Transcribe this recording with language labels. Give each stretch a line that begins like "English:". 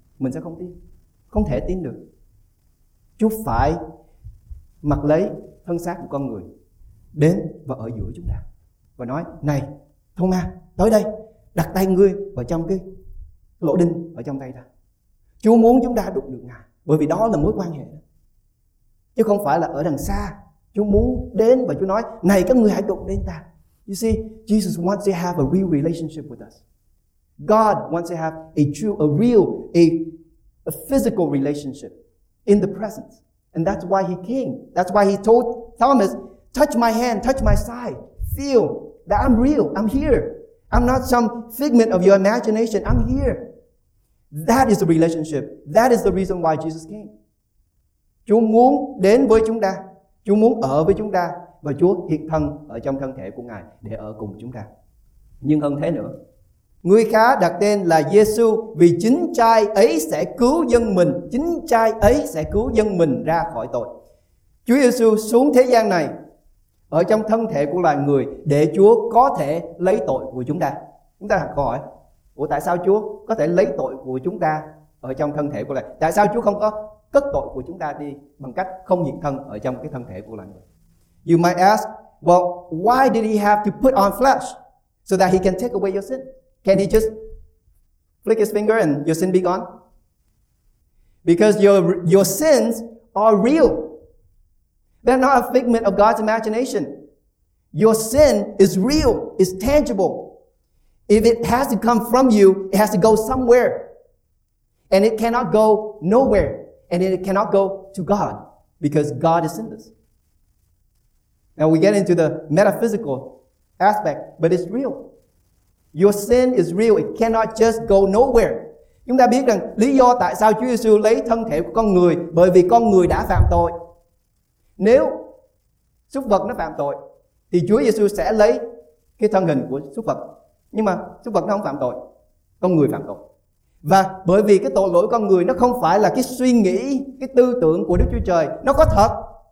Vietnamese: Mình sẽ không tin, không thể tin được. Chúa phải mặc lấy thân xác của con người đến và ở giữa chúng ta và nói: này Thomas, tới đây, đặt tay ngươi vào trong cái lỗ đinh ở trong tay ta. Chúa muốn chúng ta đụng được Ngài, bởi vì đó là mối quan hệ, chứ không phải là ở đằng xa. Chúa muốn đến và Chúa nói: này các ngươi hãy đụng đến ta.
English: You see, Jesus wants to have a real relationship with us. God wants to have a physical relationship in the presence. And that's why he came. That's why he told Thomas, touch my hand, touch my side, feel that I'm real, I'm here. I'm not some figment of your imagination, I'm here. That is the relationship. That is the reason why Jesus came.
Vietnamese: Chúa muốn đến với chúng ta, Chúa muốn ở với chúng ta, và Chúa hiện thân ở trong thân thể của Ngài để ở cùng chúng ta. Nhưng hơn thế nữa, người khá đặt tên là Giêsu vì chính trai ấy sẽ cứu dân mình, chính trai ấy sẽ cứu dân mình ra khỏi tội. Chúa Giêsu xuống thế gian này ở trong thân thể của loài người để Chúa có thể lấy tội của chúng ta. Chúng ta đặt câu hỏi: ủa tại sao Chúa có thể lấy tội của chúng ta ở trong thân thể của loài người? Tại sao Chúa không có cất tội của chúng ta đi bằng cách không hiện thân ở trong cái thân thể của loài người?
English: You might ask, well, why did he have to put on flesh so that he can take away your sin? Can he just flick his finger and your sin be gone? Because your sins are real. They're not a figment of God's imagination. Your sin is real, it's tangible. If it has to come from you, it has to go somewhere. And it cannot go nowhere. And it cannot go to God, because God is sinless. Now we get into the metaphysical aspect, but it's real. Your sin is real. It cannot just go nowhere.
Vietnamese: Chúng ta biết rằng lý do tại sao Chúa Giêsu lấy thân thể của con người, bởi vì con người đã phạm tội. Nếu súc vật nó phạm tội, thì Chúa Giêsu sẽ lấy cái thân hình của súc vật. Nhưng mà súc vật nó không phạm tội, con người phạm tội. Và bởi vì cái tội lỗi con người nó không phải là cái suy nghĩ, cái tư tưởng của Đức Chúa Trời, nó có thật.